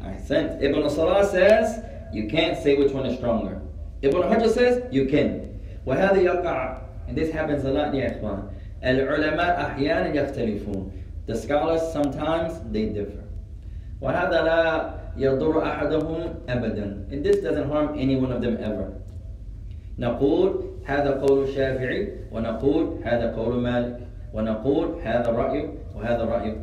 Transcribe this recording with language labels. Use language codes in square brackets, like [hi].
[en] Ibn Salah says you can't say which one is stronger. Ibn Hajar says you can. [ar] وهذا يقع, [en] and this happens a lot, [ar] يا إخوان. العلماء أحيانا يختلفون. [en] The scholars sometimes they differ. [ar] وهذا لا يضر أحدهم أبدا. [en] And this doesn't harm any one of them ever. [ar] نقول هذا قول الشافعي ونقول هذا قول مالك ونقول هذا رأي وهذا رأي.